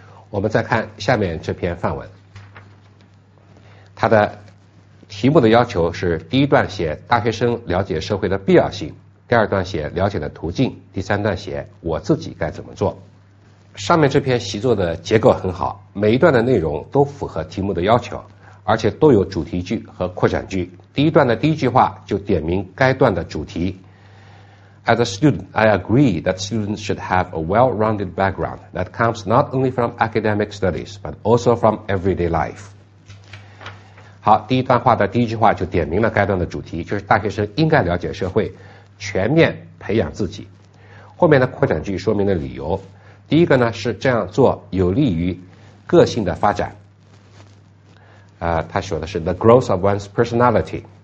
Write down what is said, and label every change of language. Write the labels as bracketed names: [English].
[Chinese] 我们再看下面这篇范文，它的题目的要求是第一段写大学生了解社会的必要性，第二段写了解的途径，第三段写我自己该怎么做。上面这篇习作的结构很好，每一段的内容都符合题目的要求，而且都有主题句和扩展句。第一段的第一句话就点明该段的主题， [English] As a student, I agree that students should have a well-rounded background that comes not only from academic studies but also from everyday life。 [Chinese] 好，第一段话的第一句话就点明了该段的主题，就是大学生应该了解社会，全面培养自己。后面的扩展句说明的理由，第一个呢是这样做有利于个性的发展，他说的是 [English] the growth of one's personality。